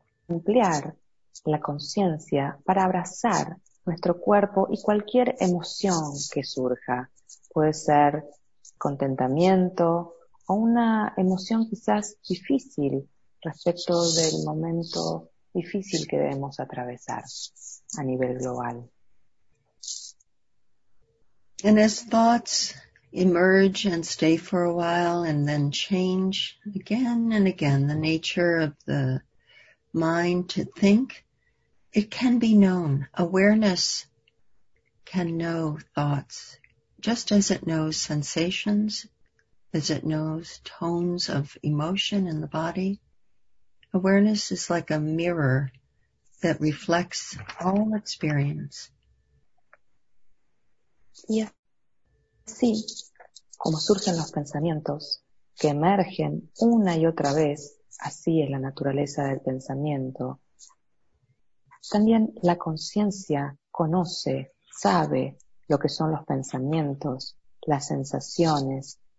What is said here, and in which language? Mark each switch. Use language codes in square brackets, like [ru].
[es] Ampliar la conciencia para abrazar nuestro cuerpo y cualquier emoción que surja. Puede ser contentamiento o una emoción quizás difícil respecto del momento difícil que debemos atravesar a nivel global. [en] And as thoughts emerge and stay for a while and then change again and again, the nature of the mind to think, it can be known. Awareness can know thoughts, just as it knows sensations, as it knows tones of emotion in the body. Awareness is like a mirror that reflects all experience. [es] Sí, como surgen los pensamientos que emergen una y otra vez. Así es la naturaleza del pensamiento. También la conciencia conoce, sabe lo que son los pensamientos, las sensaciones.